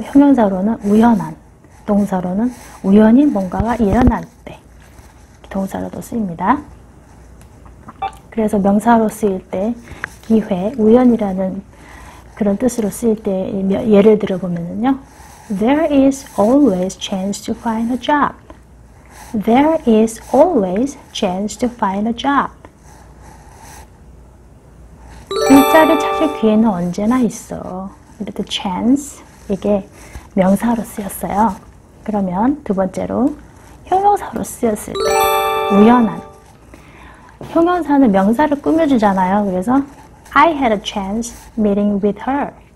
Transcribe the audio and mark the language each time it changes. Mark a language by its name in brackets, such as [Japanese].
[Korean] 형용사로는 우연한, 동사로는 우연히 뭔가가 일어날 때 동사로도 쓰입니다. 그래서 명사로 쓰일 때 기회, 우연이라는 그런 뜻으로 쓰일 때 예를 들어 보면은요. [English] There is always chance to find a job. There is always chance to find a job. [Korean] 일자리 찾을 기회는 언제나 있어. 이렇게 chance 이게 명사로 쓰였어요. 그러면 두 번째로 형용사로 쓰였을 때 우연한. 형용사는 명사를 꾸며주잖아요. 그래서 [English] I had a chance meeting with her.